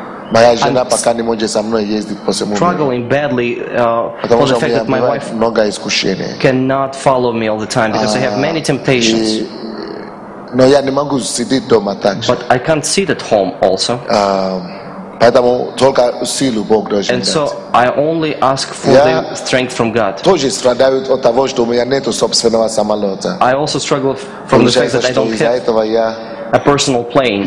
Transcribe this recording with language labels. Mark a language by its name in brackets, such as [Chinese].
[Russian] Моя жена пока не может со мной ездить по всему миру. [English] Struggling badly for the fact that my wife [Russian] много искушений. [English] Cannot follow me all the time because I have many temptations. [Russian] Но я не могу сидеть дома также. [English] But I can't sit at home also. [Russian] Поэтому только силу Бог должен [English] And so I only ask for the strength from God. [Russian] Тоже страдаю от того, что у меня нету собственного самолета. [English] I also struggle from the fact that I don't have a personal plane.